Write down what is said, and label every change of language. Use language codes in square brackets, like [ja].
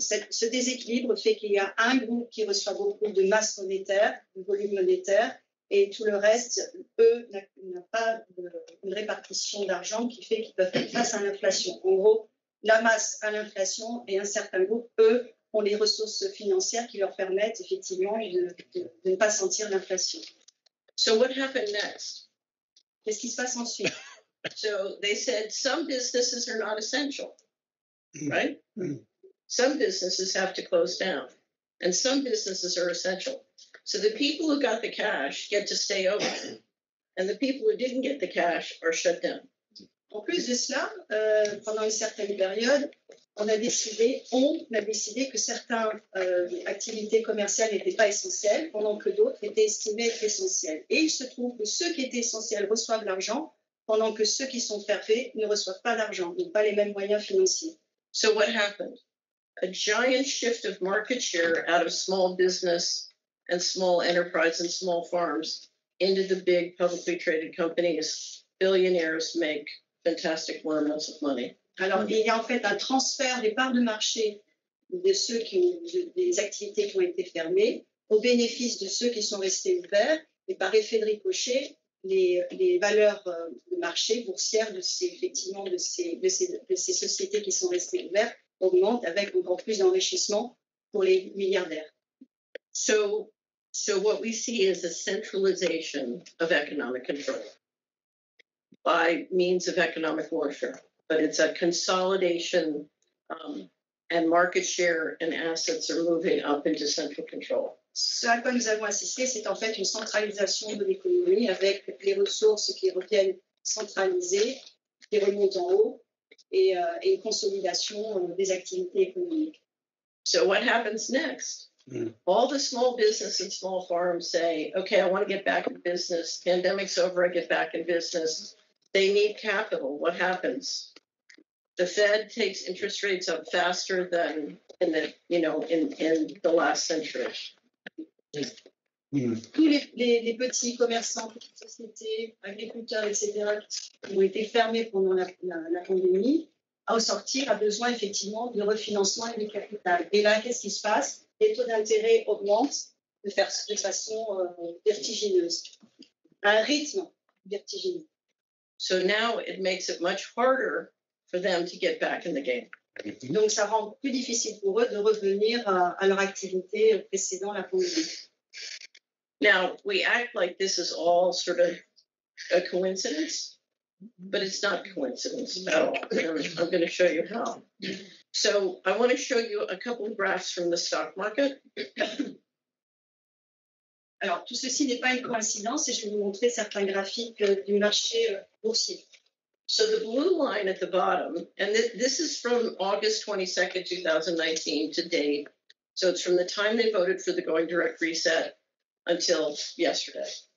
[fr] Ce déséquilibre fait qu'il y a un groupe qui reçoit beaucoup de masse monétaire, de volume monétaire, et tout le reste, eux, n'a pas une répartition d'argent qui fait qu'ils peuvent faire face à l'inflation. En gros, la masse à l'inflation et un certain groupe, eux, ont les ressources financières qui leur permettent effectivement de ne pas sentir l'inflation. [en] So what happened next? [fr] Qu'est-ce qui se passe ensuite? [en] So they said some businesses are not essential, right? Some businesses have to close down, and some businesses are essential. So the people who got the cash get to stay open, and the people who didn't get the cash are shut down. [fr] En plus de cela, pendant une certaine période, On a décidé que certaines activités commerciales n'étaient pas essentielles, pendant que d'autres étaient estimées être essentielles. Et il se trouve que ceux qui étaient essentiels reçoivent l'argent, pendant que ceux qui sont fermés ne reçoivent pas d'argent, n'ont pas les mêmes moyens financiers. [en] So what happened? A giant shift of market share out of small business and small enterprise and small farms into the big publicly traded companies. Billionaires make fantastic amounts of money. [fr] Alors, il y a en fait un transfert des parts de marché de ceux qui ont, des activités qui ont été fermées au bénéfice de ceux qui sont restés ouverts. Et par effet de ricochet, les valeurs de marché boursières de ces sociétés qui sont restées ouvertes augmentent avec encore plus d'enrichissement pour les milliardaires. [en] So what we see is a centralization of economic control by means of economic warfare. But it's a consolidation, and market share and assets are moving up into central control. [fr] Ce à quoi nous avons assisté, c'est en fait une centralisation de l'économie avec les ressources qui reviennent centralisées, qui remontent en haut, et une consolidation des activités économiques. [en] So what happens next? Mm. All the small business and small farms say, okay, I want to get back in business. Pandemic's over, I get back in business. They need capital. What happens? The Fed takes interest rates up faster than in the, you know, in the last century. [fr] Tous les petits commerçants, petites sociétés, agriculteurs, etc., qui ont été fermés pendant la pandémie, au sortir, a besoin effectivement de refinancement et de capital. Et là, qu'est-ce qui se passe? Les taux d'intérêt augmentent de façon vertigineuse, à un rythme vertigineux. [en] So now it makes it much harder for them to get back in the game. [fr] Donc ça rend plus difficile pour eux de revenir à leur activité précédant la pandémie. [en] Now, we act like this is all sort of a coincidence, but it's not coincidence at all. I'm going to show you how. So I want to show you a couple of graphs from the stock market. [fr] Alors, tout ceci n'est pas une coïncidence et je vais vous montrer certains graphiques du marché boursier. [en] So the blue line at the bottom, and this is from August 22nd, 2019 to date. So it's from the time they voted for the going direct reset until yesterday.